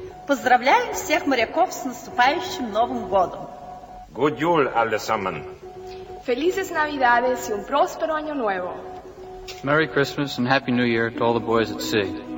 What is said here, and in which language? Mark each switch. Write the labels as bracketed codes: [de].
[ru] Поздравляем всех моряков с наступающим Новым годом. [no] God jul, alle samen. [es] Felices Navidades y un próspero año nuevo. [en] Merry Christmas and Happy New Year to all the boys at sea.